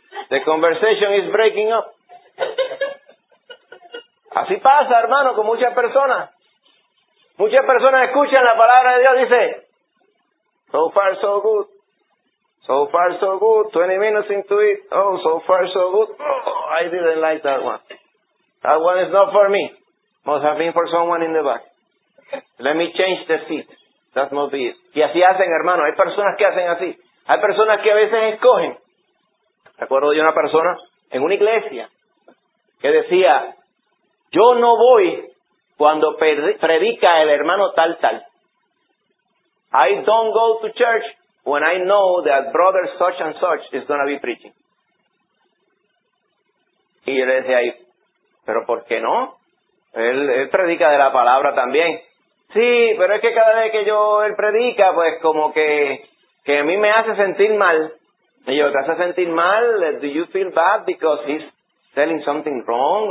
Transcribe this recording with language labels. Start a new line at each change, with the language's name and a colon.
English: The conversation is breaking up.
Spanish: Así pasa, hermano, con muchas personas. Muchas personas escuchan la palabra de Dios y dicen,
English: so far so good, so far so good, 20 minutes into it, oh, so far so good, oh, I didn't like that one. That one is not for me. Must have been for someone in the back. Let me change the seat. That must be it.
Spanish: Y así hacen, hermano. Hay personas que hacen así. Hay personas que a veces escogen. Recuerdo de una persona en una iglesia que decía, yo no voy cuando predica el hermano tal tal.
English: I don't go to church when I know that brother such and such is going to be preaching.
Spanish: Y yo le decía ahí, pero ¿por qué no? Él predica de la palabra también. Sí, pero es que cada vez que él predica, pues como que a mí me hace sentir mal. Y yo, ¿te hace sentir mal?
English: Do you feel bad because he's telling something wrong?